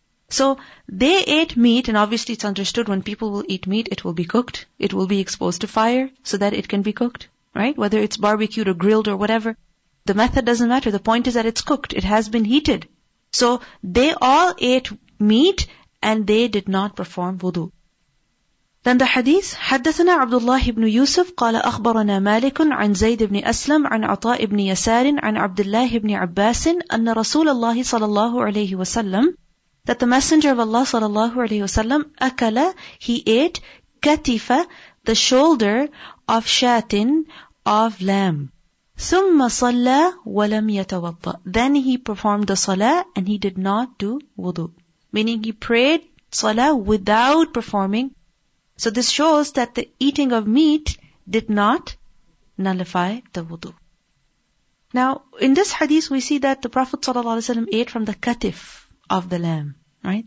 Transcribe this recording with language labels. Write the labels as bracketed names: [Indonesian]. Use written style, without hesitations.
[English] So, they ate meat, and obviously it's understood when people will eat meat, it will be cooked. It will be exposed to fire so that it can be cooked. Right? Whether it's barbecued or grilled or whatever. The method doesn't matter. The point is that it's cooked. It has been heated. So, they all ate meat and they did not perform wudu. Then the hadith, [Arabic] حدثنا عبد الله بن يوسف قال أخبرنا مالك عن زيد بن أسلم عن عطاء بن يسار عن عبد الله بن عباس أن رسول الله صلى الله عليه وسلم, [English] that the messenger of Allah [Arabic] صلى الله عليه وسلم, أكل, [English] he ate, [Arabic] كتف, [English] the shoulder of shatin, of lamb. [Arabic] ثم صلى ولم يتوضأ. [English] Then he performed the salah and he did not do wudu. Meaning he prayed salah without performing. So this shows that the eating of meat did not nullify the wudu. Now, in this hadith, we see that the Prophet ﷺ ate from the katif of the lamb, right?